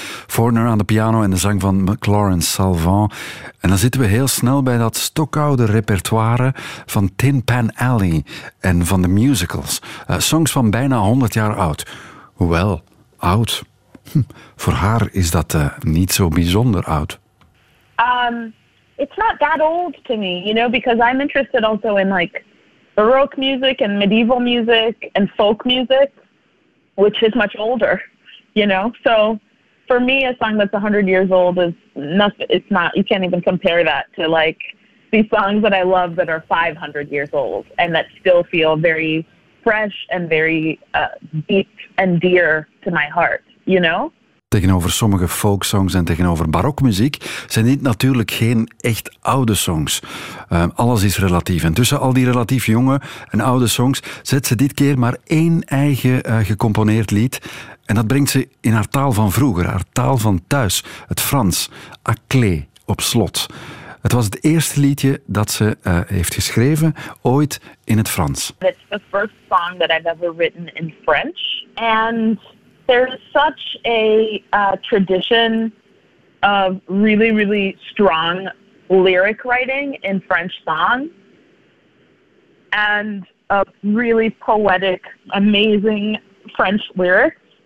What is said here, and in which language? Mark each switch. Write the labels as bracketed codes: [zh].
[nl] Fortner aan de piano en de zang van McLaurin Salvant. En dan zitten we heel snel bij dat stokoude repertoire van Tin Pan Alley en van de musicals. Songs van bijna 100 jaar oud. Hoewel, oud. Voor haar is dat niet zo bijzonder oud. [en] It's not that old to me, you know, because I'm interested also in, like, Baroque music and medieval music and folk music, which is much older, you know. So for me, a song that's 100 years old is nothing. It's not, you can't even compare that to, like, these songs that I love that are 500 years old and that still feel very fresh and very deep and dear to my heart, you know. [nl] Tegenover sommige folksongs en tegenover barokmuziek zijn dit natuurlijk geen echt oude songs. Alles is relatief. En tussen al die relatief jonge en oude songs zet ze dit keer maar één eigen gecomponeerd lied. En dat brengt ze in haar taal van vroeger, haar taal van thuis, het Frans, à clé, op slot. Het was het eerste liedje dat ze heeft geschreven, ooit in het Frans. [en] It's the first song that I've ever written in French. And there's such a tradition of really, really strong lyric writing in French song and a really poetic, amazing French lyrics.